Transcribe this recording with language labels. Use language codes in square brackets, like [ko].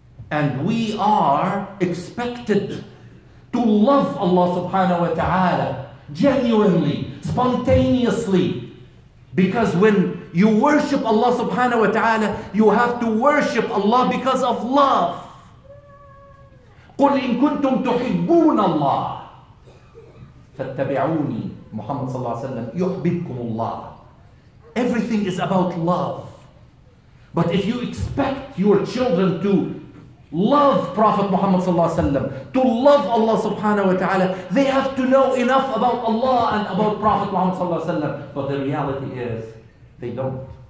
[en] And we are expected to love Allah subhanahu wa ta'ala genuinely, spontaneously. Because when you worship Allah subhanahu wa ta'ala, you have to worship Allah because of love. [ar] قُلْ إِن كُنْتُمْ تُحِبُّونَ اللَّهِ فَاتَّبِعُونِي Muhammad sallallahu alayhi wa sallam يُحْبِبْكُمُ اللَّهِ. [en] Everything is about love. But if you expect your children to love Prophet Muhammad sallallahu alaihi wasallam, to love Allah subhanahu wa ta'ala, they have to know enough about Allah and about Prophet Muhammad sallallahu alaihi wasallam. But the reality is, they don't.